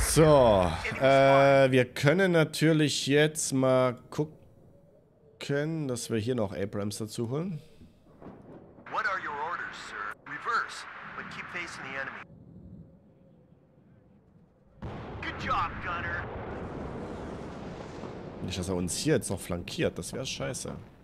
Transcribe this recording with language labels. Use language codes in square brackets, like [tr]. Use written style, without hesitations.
[de] So, wir können natürlich jetzt mal gucken, dass wir hier noch Abrams dazu holen. [en] What are your orders, sir? Reverse, but keep facing the enemy. job, Gunner. [de] Nicht, dass er uns hier jetzt noch flankiert, das wäre scheiße.